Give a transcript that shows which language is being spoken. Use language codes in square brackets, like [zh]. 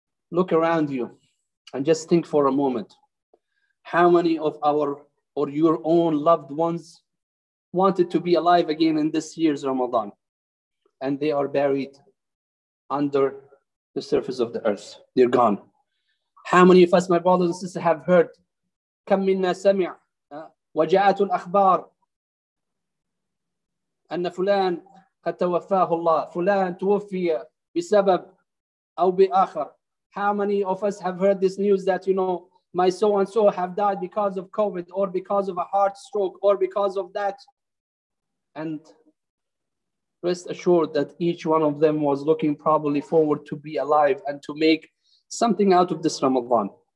[en] Look around you and just think for a moment. How many of our or your own loved ones wanted to be alive again in this year's Ramadan? And they are buried under the surface of the earth. They're gone. How many of us, my brothers and sisters, have heard? [ar] كم منا سمع وجاءت الأخبار أن فلان قد توفاه الله فلان توفي بسبب أو بآخر. [en] How many of us have heard this news that, you know, my so-and-so have died because of COVID or because of a heart stroke or because of that? And rest assured that each one of them was looking probably forward to be alive and to make something out of this Ramadan.